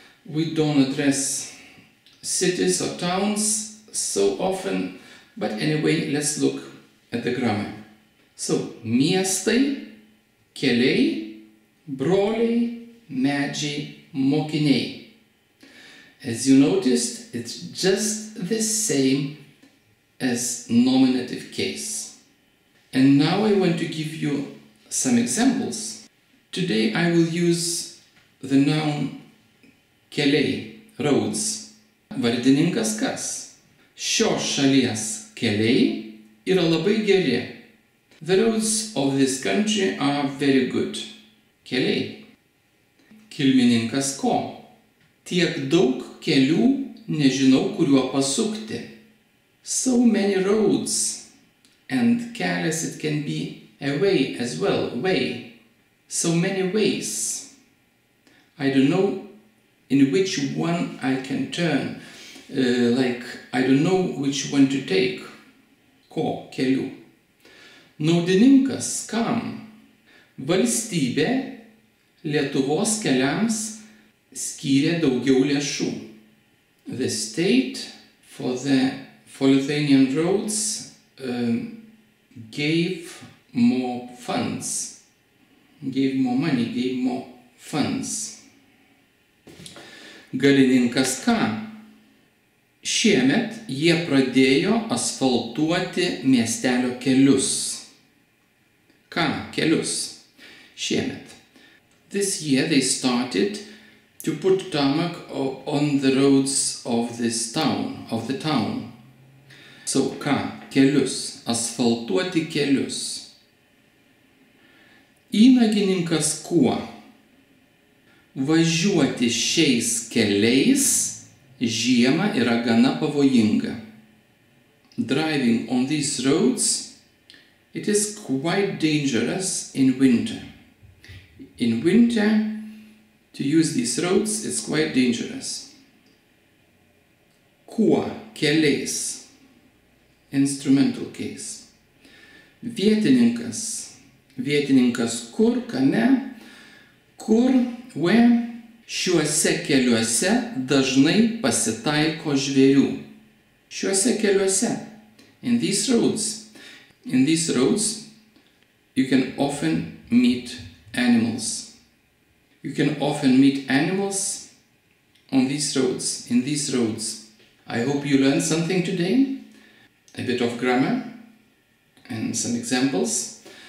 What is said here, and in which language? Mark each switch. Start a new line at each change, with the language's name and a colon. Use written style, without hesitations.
English: We don't address cities or towns so often, but anyway, let's look at the grammar.
Lithuanian: So, miestai, keliai, broliai, medžiai, mokiniai.
English: As you noticed, it's just the same as nominative case. And now I want to give you some examples. Today I will use the noun keliai, roads.
Lithuanian: Vardininkas kas? Šios šalies keliai yra labai geri.
English: The roads of this country are very good.
Lithuanian: Keliai. Kilmininkas ko? Tiek daug kelių, nežinau kuriuo pasukti.
English: So many roads. And kelias, it can be a way as well. Way. So many ways. I don't know in which one I can turn. Like, I don't know which one to take.
Lithuanian: ko keliu. Naudininkas kam? Valstybė Lietuvos keliams skyrė daugiau lėšų.
English: The state for the Lithuanian roads gave more funds. Gave more money, gave more funds.
Lithuanian: Galininkas ką? Šiemet jie pradėjo asfaltuoti miestelio kelius. Ką? Kelius. Šiemet.
English: This year they started to put tarmac on the roads of this town, of the town.
Lithuanian: So, ką? Kelius. Asfaltuoti kelius. Įnagininkas kuo? Važiuoti šiais keliais žiemą yra gana pavojinga.
English: Driving on these roads, it is quite dangerous in winter. In winter, to use these roads, it's quite dangerous.
Lithuanian: Kuo keliais?
English: Instrumental case.
Lithuanian: Vietininkas. Vietininkas kur, kame, kur, where, šiuose keliuose dažnai pasitaiko žvėrių. Šiuose keliuose,
English: in these roads, you can often meet animals. You can often meet animals on these roads, in these roads. I hope you learned something today, a bit of grammar and some examples.